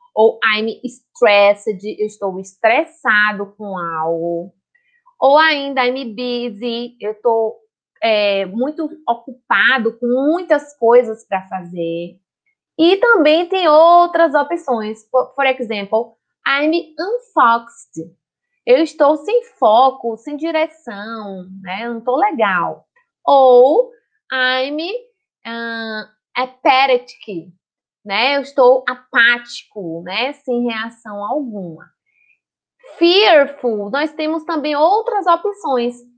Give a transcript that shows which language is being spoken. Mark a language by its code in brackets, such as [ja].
[pt] Ou [en] I'm stressed, [pt] eu estou estressado com algo. Ou ainda, [en] I'm busy, [pt] eu estou muito ocupado com muitas coisas para fazer. E também tem outras opções. [en] For example, I'm unfocused. [pt] Eu estou sem foco, sem direção, né? Não estou legal. Ou [en] I'm apathetic, [pt] né? Eu estou apático, né? Sem reação alguma. Fearful, nós temos também outras opções.